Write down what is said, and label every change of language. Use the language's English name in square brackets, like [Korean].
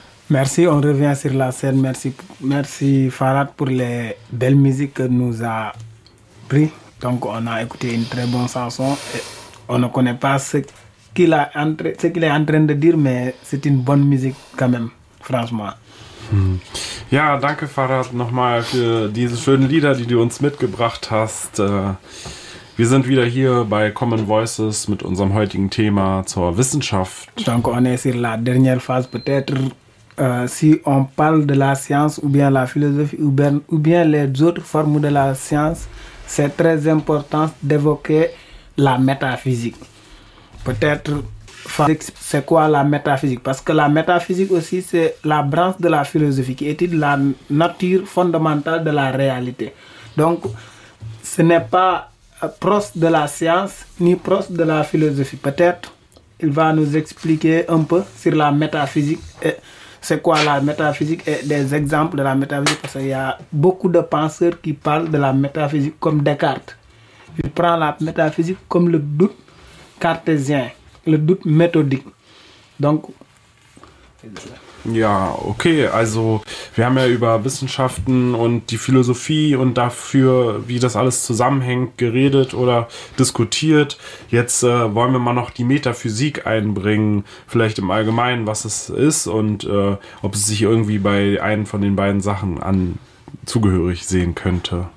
[French] Merci, on revient sur la scène. Merci, merci Farad pour les belles musiques que nous a pris. Donc on a écouté une très bonne chanson. Et on ne connaît pas ce qu'il est en train de dire, mais c'est une bonne musique quand même, franchement. [German] Ja, danke Farad nochmal für diese schönen Lieder, die du uns mitgebracht hast. Wir sind wieder hier bei Common Voices mit unserem heutigen Thema zur Wissenschaft. [French] Donc on est sur la dernière phase peut-être. Si on parle de la science ou bien la philosophie ou bien les autres formes de la science, c'est très important d'évoquer la métaphysique. Peut-être, c'est quoi la métaphysique? Parce que la métaphysique aussi, c'est la branche de la philosophie qui étudie la nature fondamentale de la réalité. Donc, ce n'est pas proche de la science ni proche de la philosophie. Peut-être, il va nous expliquer un peu sur la métaphysique et c'est quoi la métaphysique et des exemples de la métaphysique, parce qu'il y a beaucoup de penseurs qui parlent de la métaphysique comme Descartes. Il prend la métaphysique comme le doute cartésien, le doute méthodique. Donc, [German] ja, okay, also wir haben ja über Wissenschaften und die Philosophie und dafür, wie das alles zusammenhängt, geredet oder diskutiert. Jetzt wollen wir mal noch die Metaphysik einbringen, vielleicht im Allgemeinen, was es ist und ob es sich irgendwie bei einem von den beiden Sachen an zugehörig sehen könnte.